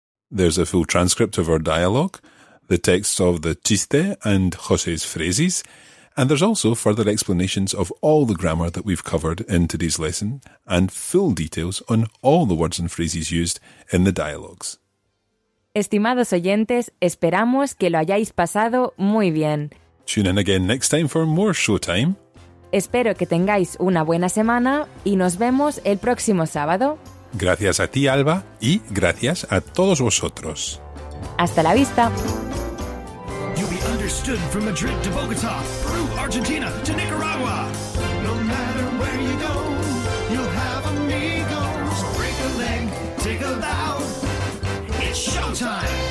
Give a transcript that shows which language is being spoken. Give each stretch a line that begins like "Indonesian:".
English: There's a full transcript of our dialogue, the texts of the chiste and José's phrases, and there's also further explanations of all the grammar that we've covered in today's lesson, and full details on all the words and phrases used in the dialogues.
Spanish: Estimados oyentes, esperamos que lo hayáis pasado muy bien.
English: Tune in again next time for more Showtime.
Spanish: Espero que tengáis una buena semana y nos vemos el próximo sábado. Gracias a ti, Alba, y gracias a todos vosotros. Hasta la vista.
English: You'll be understood from Madrid to Bogotá, Peru, Argentina to Nicaragua. No matter where you go, you'll have amigos. Break a leg, take a bow. It's Showtime.